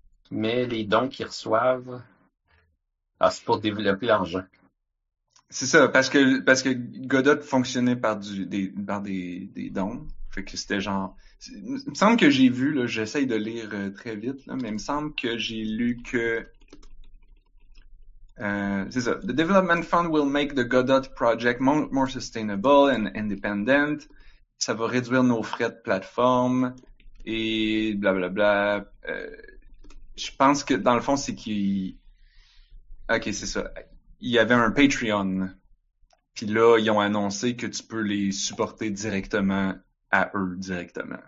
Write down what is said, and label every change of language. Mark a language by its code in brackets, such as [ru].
[fr] Mais les dons qu'ils reçoivent, ah, c'est pour développer l'engin. C'est ça, parce que Godot fonctionnait par des dons. Fait que c'était genre. Il me semble que j'ai vu, là, j'essaye de lire très vite, là, mais il me semble que j'ai lu que. C'est ça. [en] The Development Fund will make the Godot project more sustainable and independent. [fr] Ça va réduire nos frais de plateforme et blablabla. Je pense que dans le fond, c'est qu'il. OK, c'est ça. Il y avait un Patreon. Puis là, ils ont annoncé que tu peux les supporter directement à eux directement.